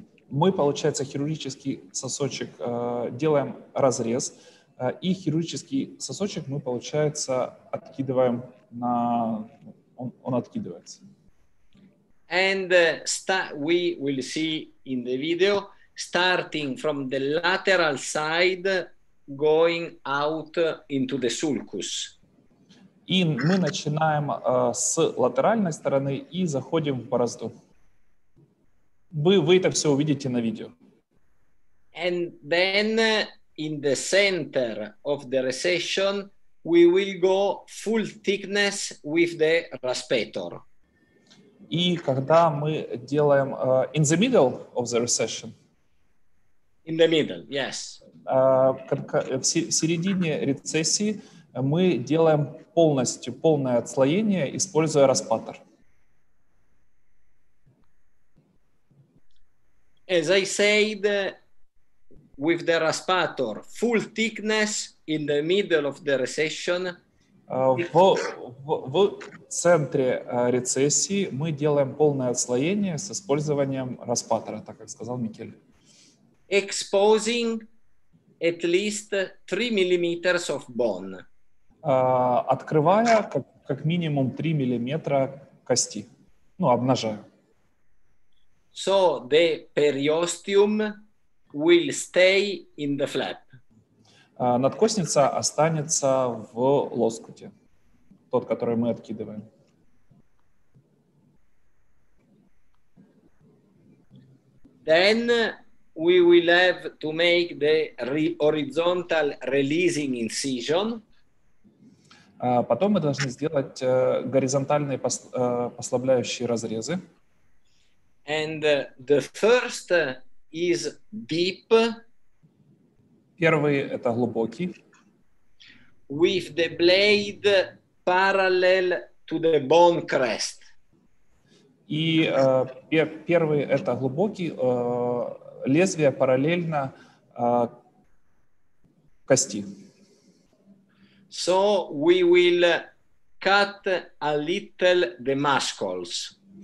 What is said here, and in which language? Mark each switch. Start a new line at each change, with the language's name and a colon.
Russian: Мы, получается, хирургический сосочек делаем разрез, и хирургический сосочек мы, получается, откидываем на... Он откидывается.
English: And we will see in the video, starting from the lateral side, going out into the sulcus.
Russian: И мы начинаем с латеральной стороны и заходим в борозду. Вы это все увидите на видео.
English: And then in the center of the recession, we will go full thickness with the raspator.
Russian: И когда мы делаем
English: in the middle of the recession. In the middle, yes.
Russian: В середине рецессии мы делаем полное отслоение, используя распатор.
English: As I said, with the raspator, full thickness in the middle of the recession.
Russian: В центре рецессии мы делаем полное отслоение с использованием распатора, так как сказал Микель.
English: Exposing at least 3 millimeters of bone.
Russian: Открывая как минимум 3 миллиметра кости, ну, обнажая.
English: So the periosteum will stay in the flap.
Russian: Надкостница останется в лоскуте, тот, который мы откидываем.
English: Then we will have to make the horizontal releasing incision.
Russian: Потом мы должны сделать горизонтальные послабляющие разрезы.
English: And the first is deep.
Russian: Первый – это глубокий.
English: With the blade parallel to the bone crest.
Russian: И первый – это глубокий, лезвие параллельно кости.
English: So we will cut a little the muscles.